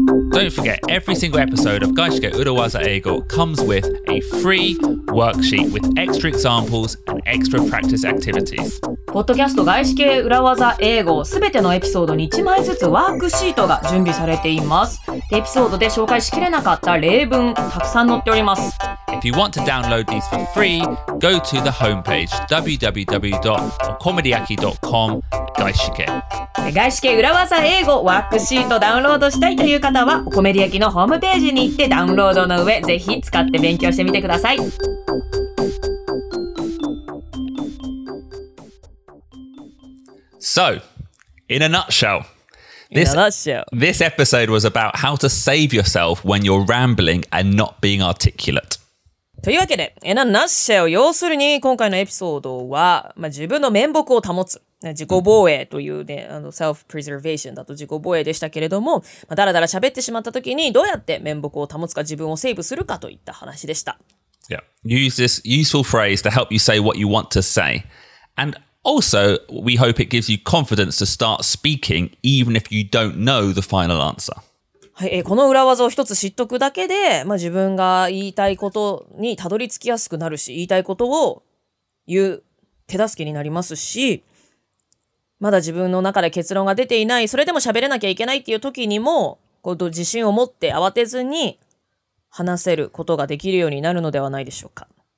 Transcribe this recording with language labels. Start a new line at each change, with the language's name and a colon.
English: Don't forget, every single episode of Gaishike Urawaza Eigo comes with a free worksheet with extra examples and extra practice activities.
Japanese: ポッドキャスト Gaishike Urawaza Eigo すべてのエピソードに1枚ずつワークシートが準備されています。エピソードで紹介しきれなかった例文たくさん載っております。
English: If you want to download these for free, go to the homepage www.comediaki.com Gaishike
Japanese: Gaishike Urawaza Eigo ワークシートダウンロードしたいという方はおコメディアキのホームページに行ってダウンロードの上ぜひ使って勉強してみてください。
English: So, in a nutshell, this episode was about how to save yourself when you're rambling and not being articulate.
Japanese: というわけで、
English: in a nutshell,
Japanese: 要するに今回のエピソードは、まあ、自分の面目を保つ、自己防衛というね、あの、self-preservation だと自己防衛でしたけれども、まあ、だらだら喋ってしまった時にどうやって面目を保つか自分をセーブするかといった話でした。 Yeah.
English: Use this useful phrase to help you say what you want to say. And also, we hope it gives you confidence to start speaking even if you don't know the final answer.
Japanese: はい、この裏技を一つ知っとくだけで、まあ、自分が言いたいことにたどり着きやすくなるし、言いたいことを言う手助けになりますし、まだ自分の中で結論が出ていない、それでも喋れなきゃいけないっていう時にも、こう自信を持って慌てずに話せることができるようになるのではないでしょうか。